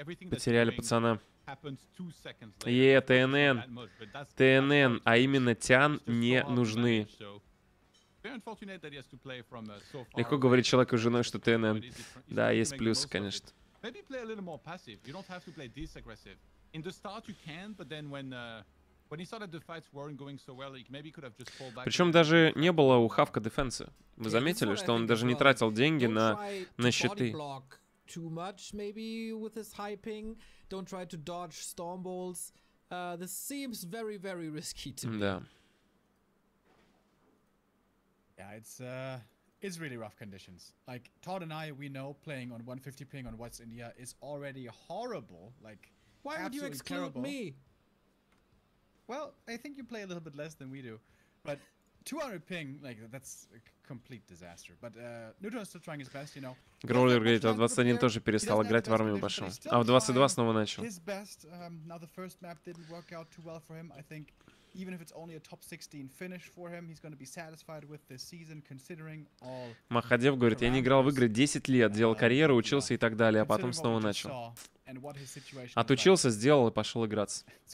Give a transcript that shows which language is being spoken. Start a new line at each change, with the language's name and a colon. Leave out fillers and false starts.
Russian: Потеряли пацана. ТНН. ТНН, а именно Тян не нужны. Легко говорить человеку с женой, что ТНН. Да, есть плюсы, конечно.
English: Maybe play a little more passive. You don't have to play this aggressive. In the start you can, but then when he saw that the fights weren't going so well, he maybe could have just fall back.
Russian: Причем даже не было у Хавка дефенса. Вы заметили, что он даже не тратил деньги на щиты.
English: Too much maybe with his high ping. Don't try to dodge storm balls. This seems very, very risky to me.
Russian: Да.
English: Yeah, it's really rough conditions. Like Todd and I, we know playing on 150 ping on West India is already horrible. Like, why would you exclude terrible. Me? Well, I think you play a little bit less than we do, but 200 ping, like that's a complete disaster. But Neutron is still trying his best, you know.
Russian: Гроллер говорит, а 21 тоже перестал играть в армию пошел, а в 22 снова начал.
English: His best. Now the first map didn't work out too well for him, I think. Even if it's only a top 16 finish for him, he's going to be satisfied with this season, considering all...
Russian: Махадев говорит, я не играл в игры 10 лет, делал карьеру, учился и так далее, а потом снова начал. Отучился, сделал и пошел играться.